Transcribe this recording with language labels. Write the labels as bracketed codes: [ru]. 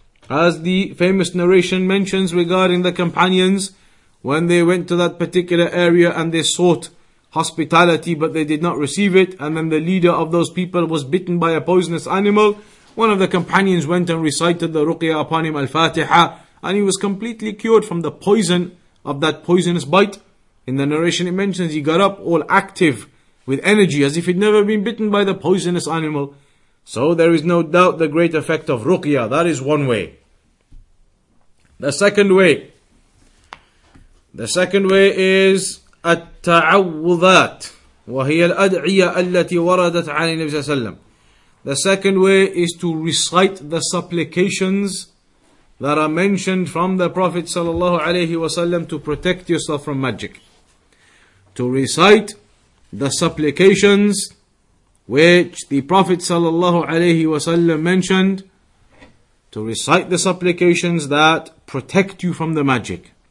[en] As the famous narration mentions regarding the companions, when they went to that particular area and they sought hospitality, but they did not receive it, and then the leader of those people was bitten by a poisonous animal, one of the companions went and recited the ruqyah upon him, al-Fatiha, and he was completely cured from the poison of that poisonous bite. In the narration it mentions he got up all active with energy as if he'd never been bitten by the poisonous animal. So there is no doubt the great effect of ruqyah. That is one way. The second way is [ar] التعوذات وهي الأدعية التي وردت عن النبي صلى الله عليه وسلم. [en] The second way is to recite the supplications that are mentioned from the Prophet sallallahu alaihi wasallam to protect yourself from magic. To recite the supplications which the Prophet sallallahu alaihi wasallam mentioned, to recite the supplications that protect you from the magic.